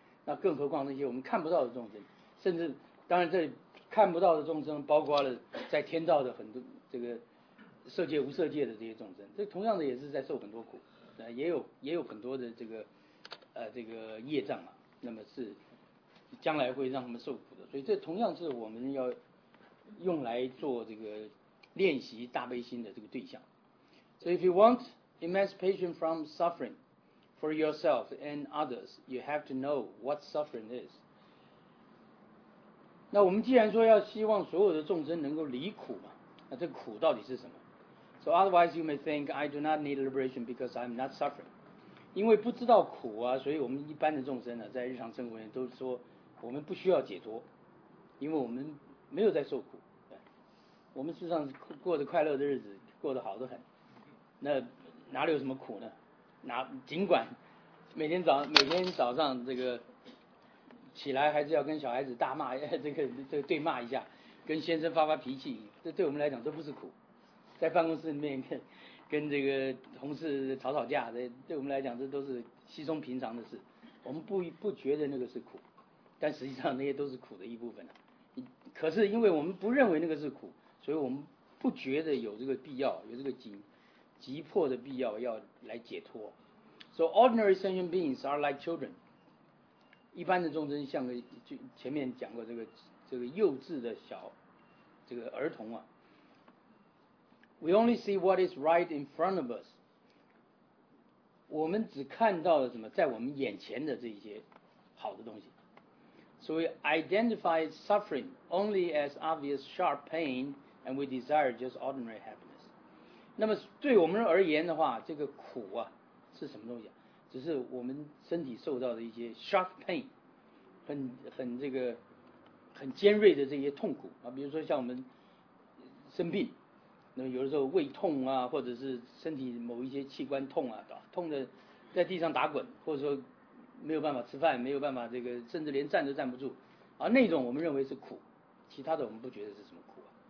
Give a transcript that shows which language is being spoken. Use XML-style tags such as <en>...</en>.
<zh>那更何况那些我们看不到的众生，甚至当然这里看不到的众生包括了在天道的很多这个色界无色界的这些众生，这同样的也是在受很多苦，那也有很多的这个业障啊，那么是将来会让他们受苦的。所以这同样是我们要用来做这个练习大悲心的这个对象。</zh> <en>So if you want emancipation from suffering for yourself and others, you have to know what suffering is.</en> <zh>那我们既然说要希望所有的众生能够离苦嘛，那这苦到底是什么？</zh> <en>So otherwise you may think I do not need liberation because I'm not suffering.</en> <zh>因为不知道苦啊，所以我们一般的众生呢、啊，在日常生活里都说我们不需要解脱，因为我们没有在受苦，我们事实上过着快乐的日子，过得好得很，那哪里有什么苦呢？尽管每天早上这个起来还是要跟小孩子大骂，这个对骂一下，跟先生发发脾气，这对我们来讲都不是苦。在办公室里面跟这个同事吵吵架，这对我们来讲这都是稀松平常的事，我们不觉得那个是苦，但实际上那些都是苦的一部分、啊、可是因为我们不认为那个是苦，所以我们不觉得有这个必要，有这个急迫的必要要来解脱。</zh> <en>So ordinary sentient beings are like children.</en> <zh>一般的众生像个前面讲过这个幼稚的小这个儿童啊。</zh> <en>We only see what is right in front of us.</en> <zh>我们只看到了什么在我们眼前的这些好的东西。</zh> <en>So we identify suffering only as obvious sharp painAnd we desire just ordinary happiness.</en> <zh>那么对我们而言的话，这个苦啊是什么东西、啊、只是我们身体受到的一些 sharp pain， 很尖锐的这些痛苦啊，比如说像我们生病，那么有的时候胃痛啊，或者是身体某一些器官痛啊，痛的在地上打滚，或者说没有办法吃饭，没有办法这个，甚至连站都站不住啊，那种我们认为是苦，其他的我们不觉得是什么苦。</zh>